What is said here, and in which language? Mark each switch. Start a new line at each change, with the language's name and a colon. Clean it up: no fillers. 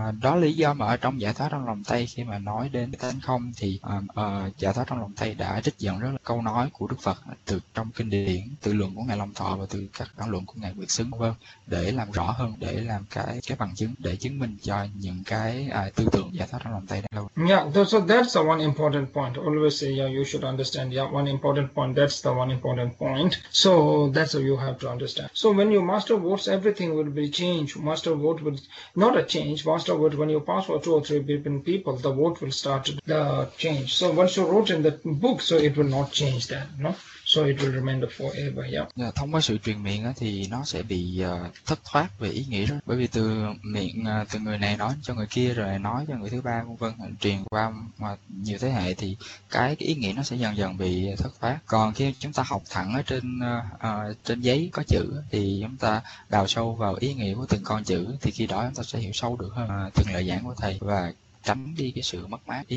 Vietnamese: Đó là lý do mà ở trong Giải Thoát Trong Lòng Tay, khi mà nói đến tánh không thì Giải Thoát Trong Lòng Tay đã trích dẫn rất là câu nói của Đức Phật từ trong kinh điển, từ luận của Ngài Long Thọ và từ các bản luận của Ngài Mười Xứng vân, để làm rõ hơn, để làm cái bằng chứng, để chứng minh cho những cái tư tưởng Giải Thoát Trong Lòng Tay đó luôn.
English: So that's the one important point. Always say, you should understand. One important point, that's the one important point. So that's what you have to understand. So when you master words, everything will be changed. Master word will not a change. Master word, when you pass for two or three different people, the word will start the change. So once you wrote in the book, so it will not change that, no? So it will remain forever, yeah.
Vietnamese: Thông qua sự truyền miệng thì nó sẽ bị thất thoát về ý nghĩa đó. Bởi vì từ miệng từ người này nói cho người kia rồi nói cho người thứ ba vân vân, truyền qua nhiều thế hệ thì cái ý nghĩa nó sẽ dần dần bị thất thoát. Còn khi chúng ta học thẳng ở trên trên giấy có chữ thì chúng ta đào sâu vào ý nghĩa của từng con chữ, thì khi đó chúng ta sẽ hiểu sâu được hơn từng lời giảng của thầy và tránh đi cái sự mất mát.